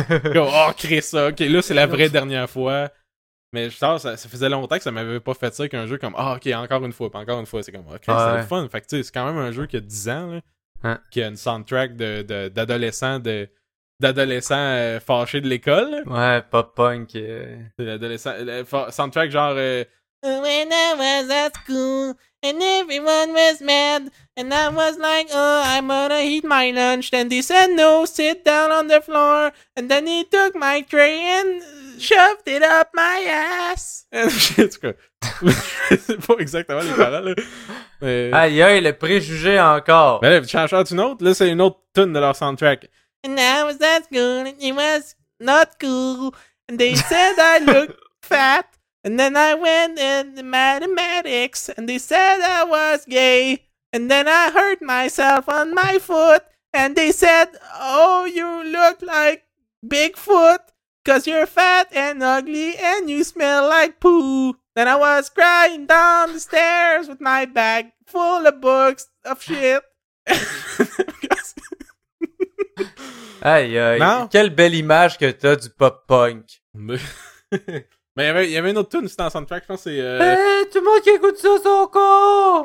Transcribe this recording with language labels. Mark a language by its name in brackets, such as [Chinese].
[French] Oh, crée ça. OK, là, c'est la vraie dernière fois. Mais je sors, ça faisait longtemps que ça m'avait pas fait ça qu'un jeu comme, OK, encore une fois. C'est comme, OK, c'est le fun. Fait que, tu sais, c'est quand même un jeu qui a 10 ans, là, hein? Qui a une soundtrack d'adolescent fâché de l'école. Là. Ouais, pop-punk. C'est l'adolescent. Soundtrack genre. [English] When I was at school, and everyone was mad, and I was like, oh, I'm gonna eat my lunch. Then they said, no, sit down on the floor. And then he took my tray and shoved it up my ass. [French] En tout cas, c'est pas exactement les paroles. Aïe, aïe, le préjugé encore. Mais là, change-toi une autre. Là, c'est une autre tune de leur soundtrack. [English] And I was at school, and it was not cool. And they said I looked fat. And then I went in the mathematics, and they said I was gay. And then I hurt myself on my foot, and they said, oh, you look like Bigfoot. Cause you're fat and ugly and you smell like poo. Then I was crying down the stairs with my bag full of books of shit. [French] Aïe, quelle belle image que t'as du pop-punk. Mais il y avait une autre tune aussi dans le soundtrack, je pense que c'est... Hey, tout le monde qui écoute ça, son con!